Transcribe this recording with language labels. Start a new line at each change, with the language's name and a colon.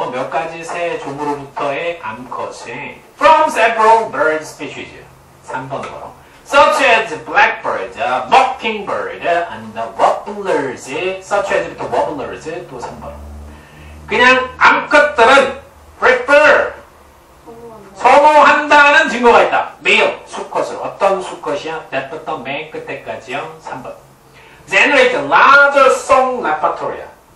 Korean: 몇 가지 새 종으로부터의 암컷이.
English: From several bird species.
Korean: 3번으로.
English: Such as blackbird, mockingbird, and warblers. Such as 또 warblers.
Korean: 또 3번. 그냥 암컷들은 prefer 선호한다는 증거가 있다. 매우 수컷을 어떤 수컷이야? 때부터 맨 끝에까지요. 3번.
English: Generate larger song repertoire.